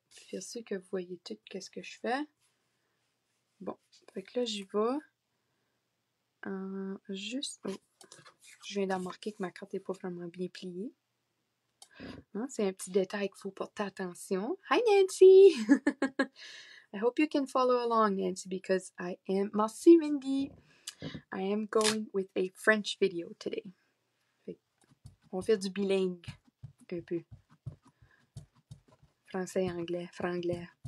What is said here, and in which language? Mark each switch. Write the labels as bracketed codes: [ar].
[fr] Faire sûr que vous voyez tout qu'est-ce que je fais. Bon, fait que là, j'y vais. Je viens d'en marquer que ma carte n'est pas vraiment bien pliée. Hein, c'est un petit détail qu'il faut porter attention. [en] Hi Nancy! I hope you can follow along, Nancy, because I am... [fr] Merci, Mindy! [en] I am going with a French video today. [fr] On va faire du bilingue, un peu. Français, anglais, franglais.